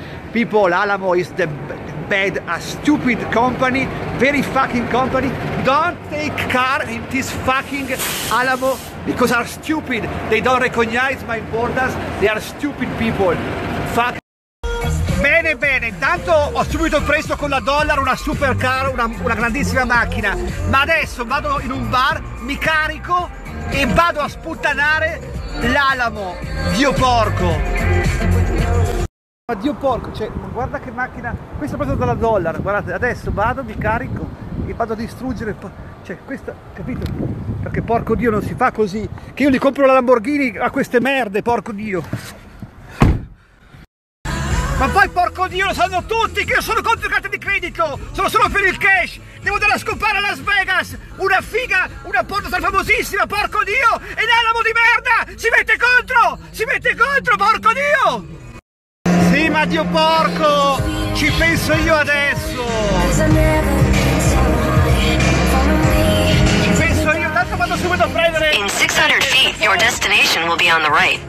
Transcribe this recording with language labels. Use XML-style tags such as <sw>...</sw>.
<en>People, Alamo is the bad, a stupid company, very fucking company. Don't take car in this fucking Alamo because are stupid. They don't recognize my borders. They are stupid people. Fuck.</en> <it>Bene, bene, intanto ho subito preso con la dollar una supercar, una grandissima macchina. Ma adesso vado in un bar, mi carico e vado a sputtanare l'Alamo. Dio porco. Ma Dio porco, cioè, guarda che macchina, questa è presa dalla dollar, guardate, adesso vado, mi carico e vado a distruggere, cioè, questa, capito? Perché porco Dio non si fa così, che io gli compro la Lamborghini a queste merde, porco Dio. Ma poi porco Dio lo sanno tutti che io sono contro carte di credito, sono solo per il cash, devo andare a scopare a Las Vegas, una figa, una porta star famosissima, porco Dio, e l'Alamo di merda, si mette contro, porco Dio! Sì, ma Dio porco, ci penso io adesso. Ci penso io, tanto vado subito a prendere.</it> <en>In 600 feet, your destination will be on the right.</en>